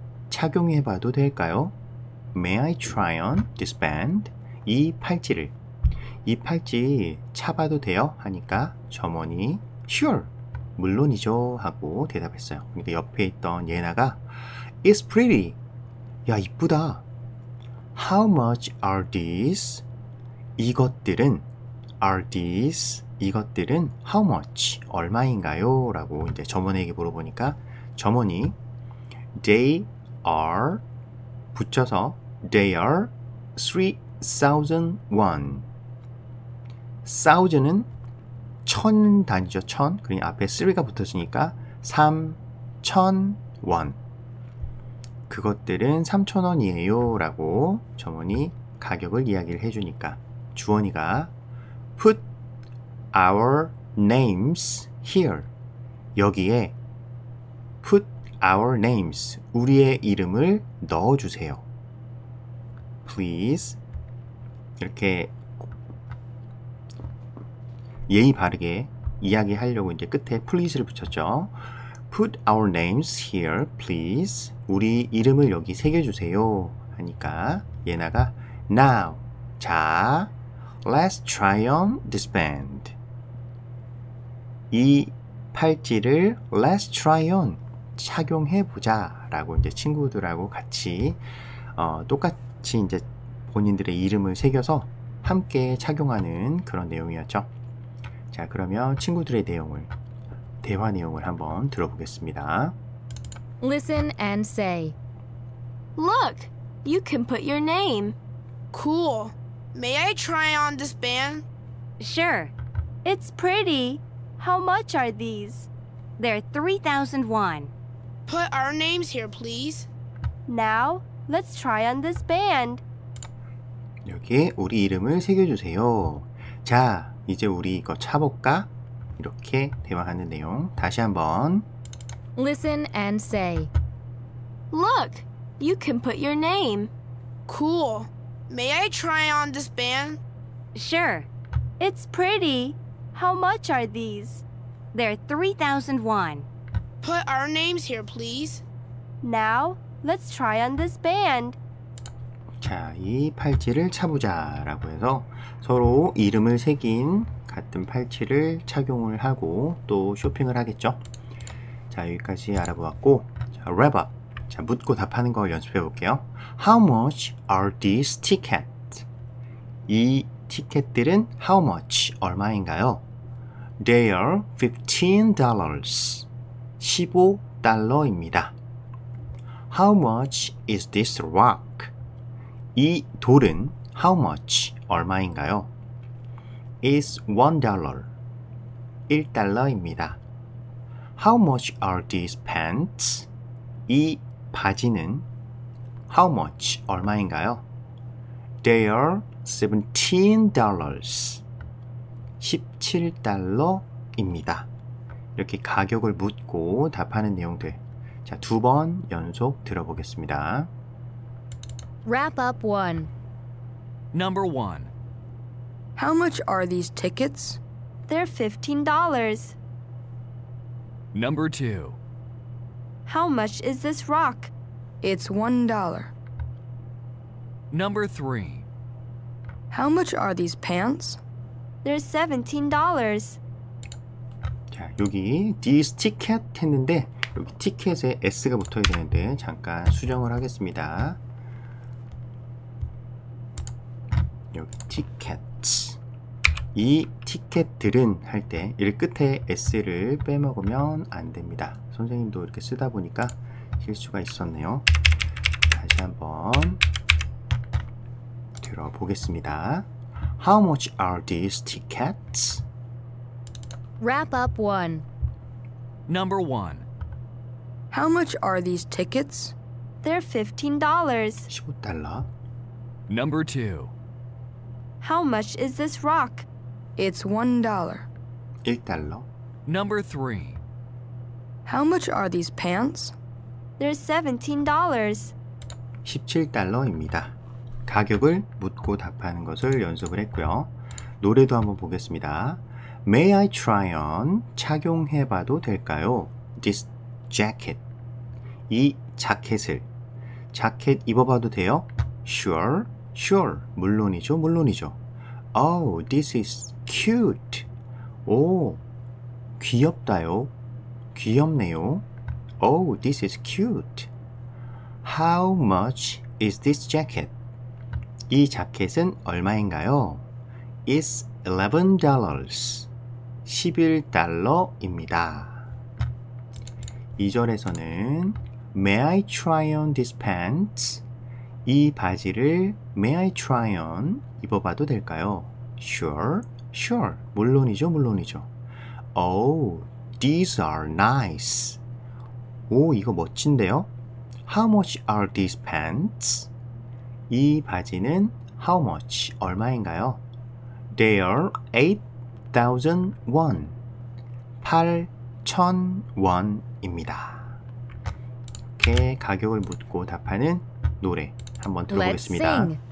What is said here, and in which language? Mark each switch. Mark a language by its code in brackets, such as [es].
[ko] 착용해봐도 될까요? [en] May I try on this band? [ko] 이 팔찌를. 이 팔찌 차봐도 돼요? 하니까 점원이 [en] sure, [ko] 물론이죠 하고 대답했어요. 그러니까 옆에 있던 예나가 [en] It's pretty. [ko] 야, 이쁘다. [en] How much are these? [ko] 이것들은 [en] are these? [ko] 이것들은 [en] how much? [ko] 얼마인가요? 라고 이제 점원에게 물어보니까 점원이 [en] They are [ko] 붙여서 [en] They are 3,000 won. [ko] 1,000은 천 단위죠. 천. 그러니까 앞에 3가 붙었으니까 [en] 3,000 won. [ko] 그것들은 3,000원이에요 라고 점원이 가격을 이야기를 해주니까 주원이가 [en] Put our names here. [ko] 여기에 [en] Put our names. [ko] 우리의 이름을 넣어주세요. [en] Please. [ko] 이렇게 예의 바르게 이야기하려고 이제 끝에 Please를 붙였죠. [en] Put our names here, please. [ko] 우리 이름을 여기 새겨주세요. 하니까 예나가 [en] Now, [ko] 자, [en] Let's try on this band. [ko] 이 팔찌를 [en] Let's try on [ko] 착용해보자 라고 이제 친구들하고 같이 똑같이 이제 본인들의 이름을 새겨서 함께 착용하는 그런 내용이었죠. 자, 그러면 친구들의 내용을, 대화 내용을 한번 들어보겠습니다. [en] Listen and say. Look, you can put your name. Cool. May I try on this band? Sure. It's pretty. How much are these? They're 3,000 won. Put our names here, please. Now, let's try on this band. [ko] 여기 우리 이름을 새겨주세요. 자, 이제 우리 이거 차볼까? 이렇게 대화하는 내용 다시 한번. [en] Listen and say. Look, you can put your name. Cool. May I try on this band? Sure. It's pretty. How much are these? They're 3,000 won. Put our names here, please. Now, let's try on this band. [ko] 자, 이 팔찌를 차보자 라고 해서 서로 이름을 새긴 같은 팔찌를 착용을 하고 또 쇼핑을 하겠죠. 자, 여기까지 알아보았고, 자, wrap up. 자, 묻고 답하는 걸 연습해 볼게요. [en] How much are these tickets? [ko] 이 티켓들은 [en] how much, [ko] 얼마인가요? [en] They are $15. [ko] 15달러입니다. [en] How much is this rock? [ko] 이 돌은 [en] how much, [ko] 얼마인가요? [en] It's $1. [ko] 1달러입니다. [en] How much are these pants? [ko] 이 바지는 [en] how much, [ko] 얼마인가요? [en] They are $17. [ko] 17달러입니다. 이렇게 가격을 묻고 답하는 내용들. 자, 두 번 연속 들어보겠습니다. [en] Wrap up one. Number one. How much are these tickets? They're $15. Number two. How much is this rock? It's $1. Number three. How much are these pants? They're $17. [ko] 자, 여기 [en] these ticket [ko] 했는데 여기 티켓에 S가 붙어야 되는데 잠깐 수정을 하겠습니다. [en] 여기 tickets. [ko] 이 티켓들은 할 때 이 끝에 S를 빼먹으면 안 됩니다. 선생님도 이렇게 쓰다 보니까 실수가 있었네요. 다시 한번 들어보겠습니다. [en] How much are these tickets? Wrap up one. Number one. How much are these tickets? They're $15. [ko] 15달러. [en] Number two. How much is this rock? It's $1. [ko] 1달러. [en] Number three. How much are these pants? They're $17. [ko] 17달러입니다. 가격을 묻고 답하는 것을 연습을 했고요. 노래도 한번 보겠습니다. [en] May I try on? [ko] 착용해봐도 될까요? [en] This jacket. [ko] 이 자켓을. 자켓 입어봐도 돼요? [en] Sure. Sure. [ko] 물론이죠. 물론이죠. [en] Oh, this is cute. [ko] 오, 귀엽다요. 귀엽네요. [en] Oh, this is cute. How much is this jacket? [ko] 이 자켓은 얼마인가요? [en] It's $11. [ko] 11달러입니다. 2절에서는 [en] May I try on this pants? [ko] 이 바지를 [en] May I try on [ko] 입어봐도 될까요? [en] Sure, sure. [ko] 물론이죠, 물론이죠. [en] Oh, these are nice. [ko] 오, 이거 멋진데요? [en] How much are these pants? [ko] 이 바지는 how much, 얼마인가요? [en] They are 8,000 won. 8,000 won입니다. [ko] 이렇게 가격을 묻고 답하는 노래 한번 들어보겠습니다.